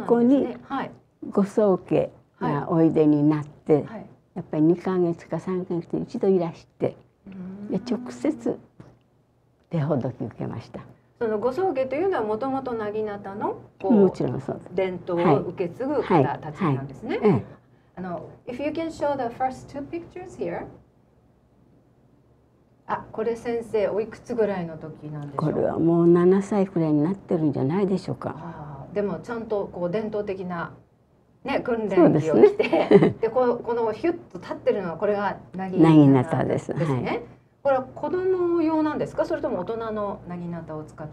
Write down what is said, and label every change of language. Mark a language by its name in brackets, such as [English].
[Japanese] そこにご宗家がおいでになって、はい、やっぱり2ヶ月か3ヶ月一度いらして、はい、で直接手ほどき受けました。そのご宗家というのはもともと薙刀のこう、もちろんそうです、伝統を受け継ぐ方たちなんですね。 [English] If you can show the first two pictures here. [Japanese] あ、これ先生おいくつぐらいの時なんでしょう？これはもう7歳くらいになってるんじゃないでしょうか。あ、でもちゃんとこう伝統的な、ね、訓練着を着て、で、ね、でこのヒュッと立ってるのはこれが薙刀ですね、はい、これは子供用なんですか、それとも大人の薙刀を使って？